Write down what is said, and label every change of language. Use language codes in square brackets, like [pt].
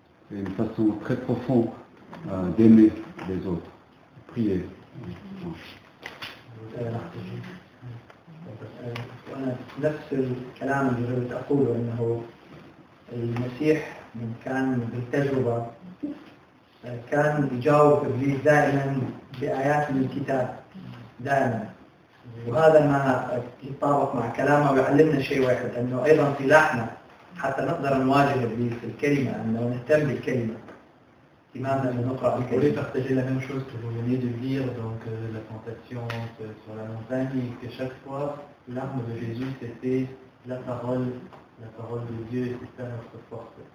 [fr] C'est une façon très profonde d'aimer les autres, de prier. [ar] كان يجاوب إبليس دائما بآيات من الكتاب دائما وهذا ما يتطابق مع كلامه ويعلمنا شيء واحد أنه أيضا سلاحنا حتى نقدر نواجه إبليس الكلمة أنه نهتم بالكلمة إمامنا من نقرأ الكلمة [fr] Vous voulez partager la même chose que vous venez de dire donc la tentation sur la montagne et que chaque fois l'arme de Jésus c'était la parole de Dieu et c'était notre force